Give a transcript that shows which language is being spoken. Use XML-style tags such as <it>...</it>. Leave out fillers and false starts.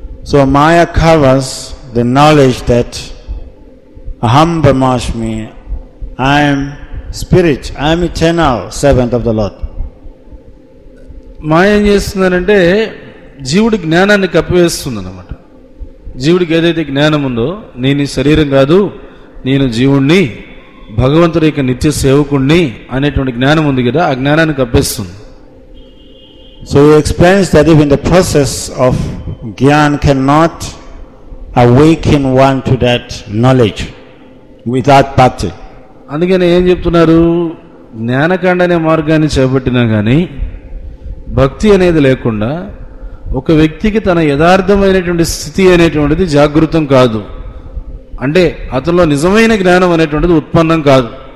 <en>So maya covers the knowledge that Aham Brahmashmi, I am spirit, I am eternal servant of the Lord.</en> <te>మాయ ఏం చేస్తుందంటే జీవుడి జ్ఞానాన్ని కప్పివేస్తుంది అన్నమాట. జీవుడికి ఏదైతే జ్ఞానం ఉందో, నేను శరీరం కాదు, నేను జీవుణ్ణి, భగవంతుడి యొక్క నిత్య సేవకుణ్ణి అనేటువంటి జ్ఞానం ఉంది కదా, ఆ జ్ఞానాన్ని కప్పేస్తుంది.</te> <en>So he explains that even the process of jnana cannot awaken one to that knowledge without bhakti.</en> <te>అందుకని ఏం చెప్తున్నారు, జ్ఞానకాండ అనే మార్గాన్ని చేపట్టినా కానీ భక్తి అనేది లేకుండా ఒక వ్యక్తికి తన యథార్థమైనటువంటి స్థితి అనేటువంటిది జాగృతం కాదు, అంటే అతనిలో నిజమైన జ్ఞానం అనేటువంటిది ఉత్పన్నం కాదు.</te>